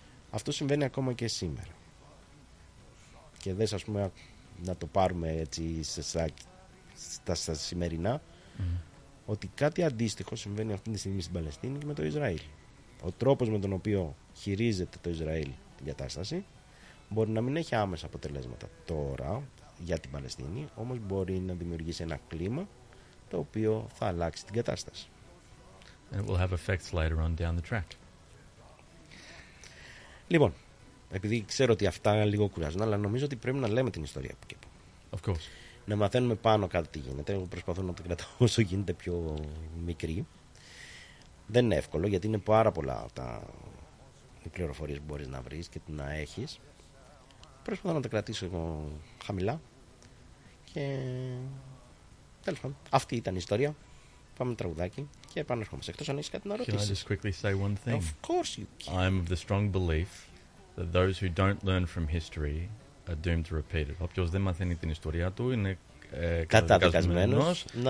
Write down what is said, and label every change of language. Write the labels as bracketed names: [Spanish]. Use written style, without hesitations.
[Greek] Αυτό συμβαίνει ακόμα και σήμερα. Και δες, ας πούμε, να το πάρουμε έτσι στα σημερινά, ότι κάτι αντίστοιχο συμβαίνει αυτή τη στιγμή στην Παλαιστίνη και με το Ισραήλ. Ο τρόπος με τον οποίο χειρίζεται το Ισραήλ την κατάσταση μπορεί να μην έχει άμεσα αποτελέσματα τώρα για την Παλαιστίνη, όμως μπορεί να δημιουργήσει ένα κλίμα το οποίο θα αλλάξει την κατάσταση. [English] And it will have effects later on down the track. [Greek] Λοιπόν, επειδή ξέρω ότι αυτά λίγο κουράζουν, αλλά νομίζω ότι πρέπει να λέμε την ιστορία από εκεί. [English] Of course. [Greek] Να μαθαίνουμε πάνω κάτι τι γίνεται. Εγώ προσπαθώ να το κρατάω όσο γίνεται πιο μικρή. Δεν είναι εύκολο, γιατί είναι πάρα πολλά τα πληροφορίες που μπορείς να βρεις και να έχεις. Προσπαθώ να τα κρατήσω εγώ χαμηλά. Και τέλος πάντων, αυτή ήταν η ιστορία. Πάμε τραγουδάκι και επανερχόμαστε. Εκτός αν έχεις κάτι να ρωτήσεις. [English] Can I just quickly say one thing? Of course you can. I'm of the strong belief that those who don't learn from history are doomed to repeat it. [Greek] Όποιος δεν μαθαίνει την ιστορία του είναι καταδικασμένος